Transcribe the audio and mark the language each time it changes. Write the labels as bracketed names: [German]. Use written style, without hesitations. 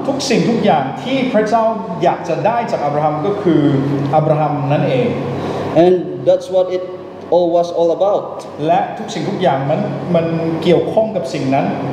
[Thai] ทุกสิ่งทุกอย่างที่พระเจ้าอยากจะได้จากอับราฮัมก็คืออับราฮัมนั่นเอง [English] And that's what it all was all about. [Thai] และทุกสิ่งทุกอย่างมันเกี่ยวข้องกับสิ่งนั้น